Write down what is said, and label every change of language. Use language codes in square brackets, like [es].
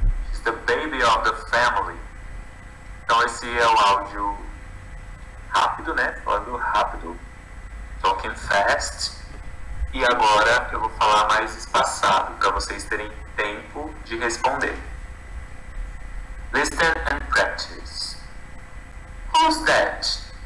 [en] She's the baby of the family. [pt] Então, esse é o áudio rápido, né? Falando rápido. [en] Talking fast. [pt] E agora, eu vou falar mais espaçado, para vocês terem tempo de responder. [en] Listen and practice. Who's that?